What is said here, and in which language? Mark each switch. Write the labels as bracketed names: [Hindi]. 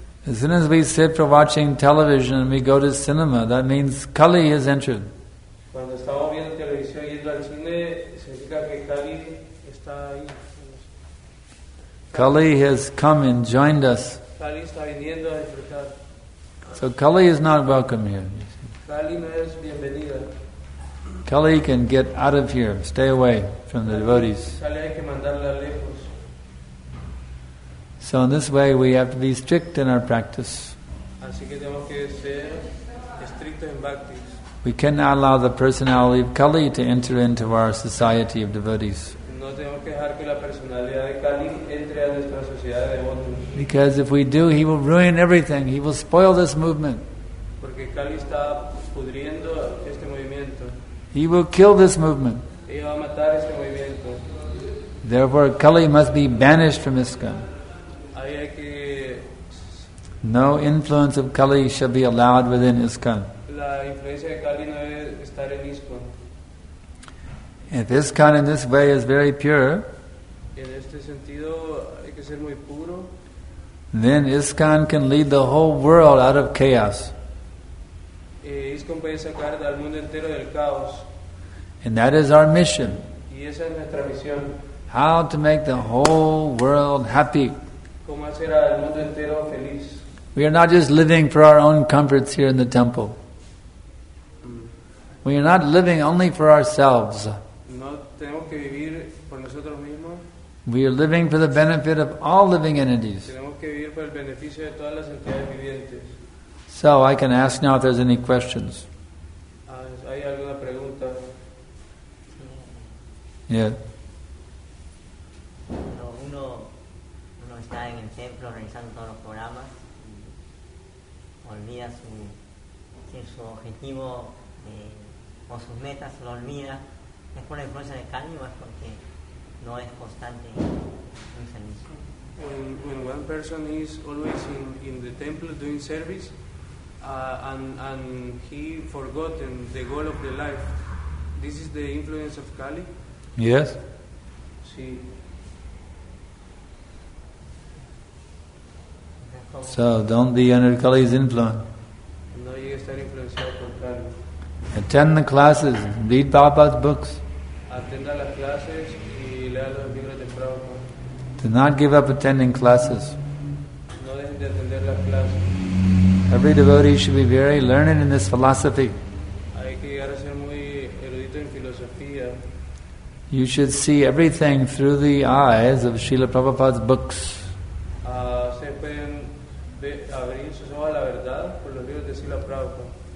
[English] As soon as we sit for watching television and we go to cinema, that means Kali has entered. [Spanish] Cuando estamos viendo televisión y yendo al cine, significa que Kali está ahí. [English] Kali has come and joined us. [Spanish] Kali está viniendo a disfrutar. [English] So Kali is not welcome here. [Spanish] Kali no es bienvenida. [English] Kali can get out of here, stay away from the devotees. [Spanish] Kali hay que mandarla lejos. [English] So in this way we have to be strict in our practice. [Spanish] Así que tenemos que ser estrictos en bhakti. [English] We cannot allow the personality of Kali to enter into our society of devotees. [Spanish] No tenemos que dejar que la personalidad de Kali entre a nuestra sociedad de devotos. [English] Because if we do, he will ruin everything. He will spoil this movement. [Spanish] Porque Kali está pudriendo este movimiento. [English] He will kill this movement. [Spanish] Y va a matar este movimiento. [English] Therefore, Kali must be banished from ISKCON. [Spanish] Ahí hay que... [English] No influence of Kali shall be allowed within ISKCON. [Spanish] La influencia de Kali no debe estar en ISKCON. [English] If ISKCON in this way is very pure, [Spanish] en este sentido hay que ser muy puro, [English] then ISKCON can lead the whole world out of chaos. [Spanish] ISKCON puede sacar al mundo entero del caos. [English] And that is our mission. [Spanish] Y esa es nuestra misión. [English] How to make the whole world happy. [Spanish] Cómo hacer al mundo entero feliz. [English] We are not just living for our own comforts here in the temple. We are not living only for ourselves. [Spanish] No tenemos que vivir por nosotros mismos. [English] We are living for the benefit of all living entities. [Spanish] Tenemos que vivir por el beneficio de todas las entidades vivientes. [English] So I can ask now if there's any questions. [Spanish] ¿Hay alguna pregunta? [English] Yeah. [Spanish] Uno está en el templo realizando todos los programas y olvida su objetivo. O sus metas, lo olvida. ¿Es por la influencia de Kali o es porque no es constante en servicio? [English] When one person is always in the temple doing service, and he forgotten the goal of the life, this is the influence of Kali? Yes. [Spanish] Sí. [English] So don't be under Kali's influence. [Spanish] No llegue a estar influenciado por Kali. [English] Attend the classes, read Prabhupada's books. [Spanish] Atenda las clases y lea los libros de Prabhupada. [English] Do not give up attending classes. [Spanish] No dejen de atender las clases. [English] Every devotee should be very learned in this philosophy. [Spanish] Hay que llegar a ser muy erudito en filosofía. [English] You should see everything through the eyes of Srila Prabhupada's books. [Spanish] Se pueden abrir sus ojos a la verdad por los libros de Srila Prabhupada.